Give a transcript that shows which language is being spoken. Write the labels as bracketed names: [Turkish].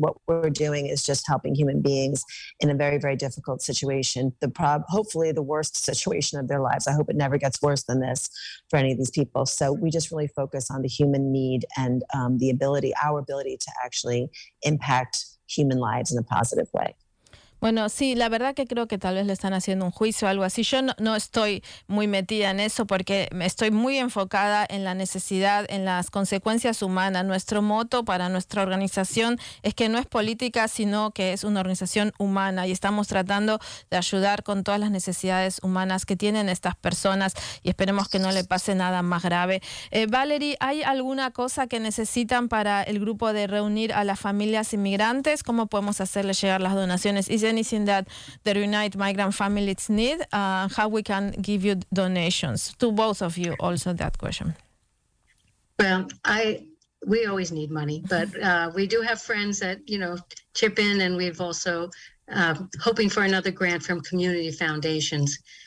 [English] What we're doing is just helping human beings in a very, very difficult situation. Hopefully the worst situation of their lives. I hope it never gets worse than this for any of these people. So we just really focus on the human need and our ability to actually impact human lives in a positive way. [Spanish] Bueno, sí, la verdad que creo que tal vez le están haciendo un juicio o algo así. Yo no estoy muy metida en eso porque estoy muy enfocada en la necesidad, en las consecuencias humanas. Nuestro motto para nuestra organización es que no es política, sino que es una organización humana, y estamos tratando de ayudar con todas las necesidades humanas que tienen estas personas, y esperemos que no le pase nada más grave. Valerie, ¿hay alguna cosa que necesitan para el grupo de reunir a las familias inmigrantes? ¿Cómo podemos hacerles llegar las donaciones? [English] Is anything that the Reunite Migrant Families need, how we can give you donations? To both of you, also that question. Well, we always need money, but we do have friends that, chip in, and we've also hoping for another grant from community foundations.